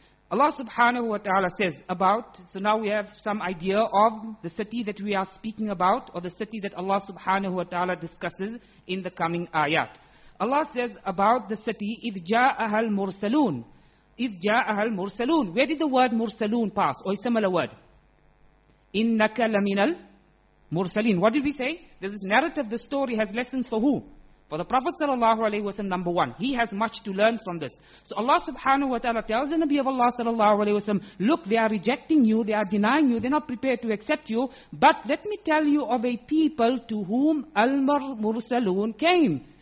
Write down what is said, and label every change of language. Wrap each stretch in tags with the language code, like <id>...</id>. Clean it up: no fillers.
<en>Allah subhanahu wa ta'ala says about, so now we have some idea of the city that we are speaking about, or the city that Allah subhanahu wa ta'ala discusses in the coming ayat. Allah says about the city,</en> <ar>إِذْ جَاءَ أَهَلْ مُرْسَلُونَ. إِذْ جَاءَ أَهَلْ مُرْسَلُونَ.</ar> <en>Where did the word مُرْسَلُونَ pass, or a similar word?</en> <ar>إِنَّكَ لَمِنَ Mursaleen.</ar> <en>What did we say? This narrative, this story has lessons for who? For the Prophet sallallahu alayhi wa sallam, number one. He has much to learn from this. So Allah subhanahu wa ta'ala tells the Nabi of Allah sallallahu alayhi wa sallam, look, they are rejecting you, they are denying you, they're not prepared to accept you, but let me tell you of a people to whom al-mursaloon came.</en>